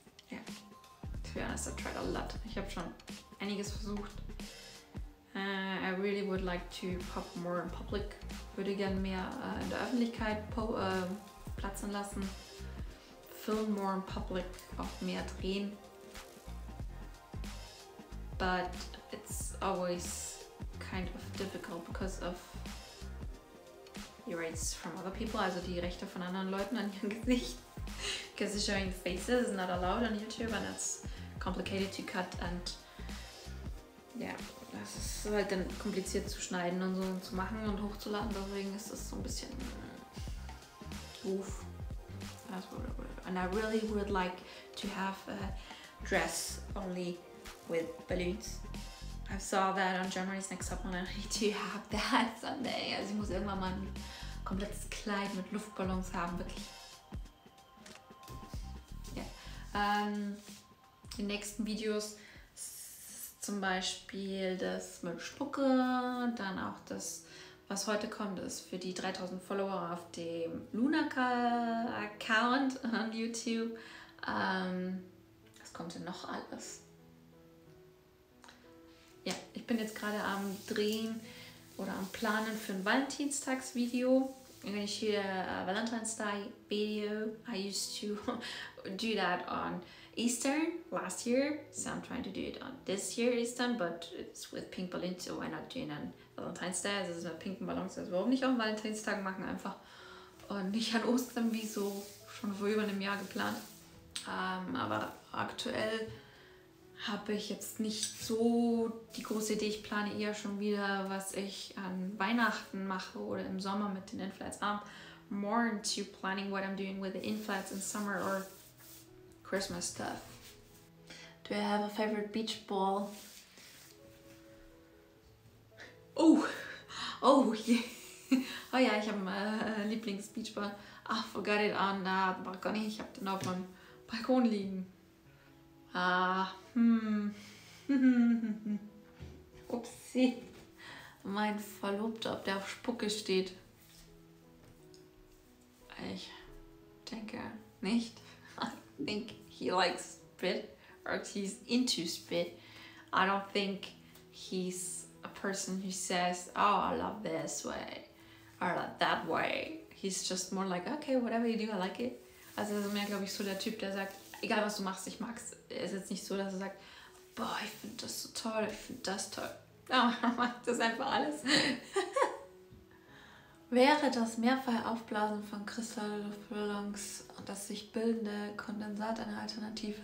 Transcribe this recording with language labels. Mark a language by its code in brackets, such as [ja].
[en] To be honest, I tried a lot. [de] Ich habe schon einiges versucht. [en] I really would like to pop more in public. [de] Würde gerne mehr in der Öffentlichkeit platzen lassen. [en] Film more in public, [de] auch mehr drehen. [en] But it's always kind of difficult because of the rights from other people, [de] also die Rechte von anderen Leuten an ihrem Gesicht. [en] Because showing faces is not allowed on YouTube and it's complicated to cut and yeah, [de] das ist halt dann kompliziert zu schneiden und so zu machen und hochzuladen, deswegen ist das so ein bisschen doof. [en] And I really would like to have a dress only with balloons. I saw that on Germany's Next Top Model. I need to have that someday. [de] Also ich muss irgendwann mal ein komplettes Kleid mit Luftballons haben, wirklich. Yeah. Die nächsten Videos, zum Beispiel das mit Spucke, dann auch das, was heute kommt, ist für die 3000 Follower auf dem Luna-Account on YouTube. Was kommt denn noch alles? Ja, ich bin jetzt gerade am Drehen oder am Planen für ein Valentinstagsvideo. Wenn ich hier [en] Valentine's Day Video, I used to do that on Easter last year. So I'm trying to do it on this year Easter, but it's with pink balloons, so why not doing it on Valentine's Day? [de] Also es ist mit pinken Ballons, also warum nicht auch einen Valentinstag machen einfach. Und nicht an Ostern, wie so schon vor über einem Jahr geplant. Aber aktuell habe ich jetzt nicht so die große Idee. Ich plane eher schon wieder, was ich an Weihnachten mache oder im Sommer mit den Inflights. [en] I'm more into planning what I'm doing with the Inflights in summer or Christmas stuff. Do I have a favorite beach ball? [de] Oh yeah, ich habe einen Lieblings-Beachball. [en] I forgot it on the balcony. [de] Ich habe den auf meinem Balkon liegen. [en] Upsi. [de] Mein Verlobter, ob der auf Spucke steht. Ich denke nicht. [en] I think he likes spit. Or he's into spit. I don't think he's a person who says, oh, I love this way. Or that way. He's just more like, okay, whatever you do, I like it. [de] Also er ist mehr, glaube ich, so der Typ, der sagt, egal was du machst, ich mag's. Er ist jetzt nicht so, dass er sagt, boah, ich finde das so toll, ich finde das toll. Ja, er macht das einfach alles. Wäre das Mehrfachaufblasen von Kristallluftballons und das sich bildende Kondensat eine Alternative?